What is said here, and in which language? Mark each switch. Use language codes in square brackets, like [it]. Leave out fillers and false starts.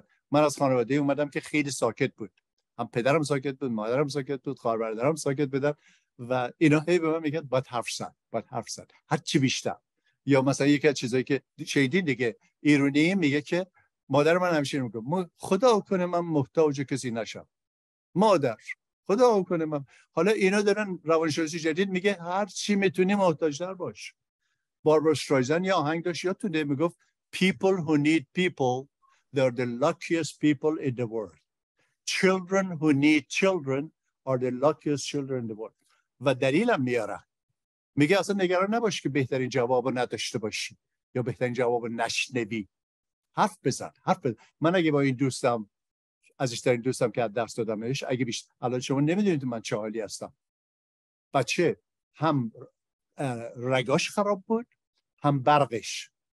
[fa] من از خانواده اومدم که خیلی ساکت بود، هم پدرم ساکت بود، مادرم ساکت بود، خواهر برادرم ساکت بودن، و اینا هی به من میگن باید حرف زد، باید حرف زد هر چی بیشتر. یا مثلا یکی از چیزایی که شنیدین دیگه ایرونی میگه که مادر من همیشه میگه خدا کنه من محتاج کسی نشم، مادر خدا کنه من. حالا اینا دارن روانشناسی جدید میگه هر چی میتونی محتاج تر باش. باربرا استرایزن یا آهنگ داشت یادتونه، میگفت [en] people who need people they are the luckiest people in the world, children who need children are the luckiest children in the world. [fa] و دلیلم میاره، میگه اصلا نگران نباش که بهترین جواب رو نداشته باشی یا بهترین جواب رو نشنوی، حرف بزن، حرف بزن. من اگه با این دوستم، عزیزترین دوستم که از دست دادمش، اگه بیشتر الان شما نمیدونید من چه حالی هستم، بچه هم رگاش خراب بود هم برقش،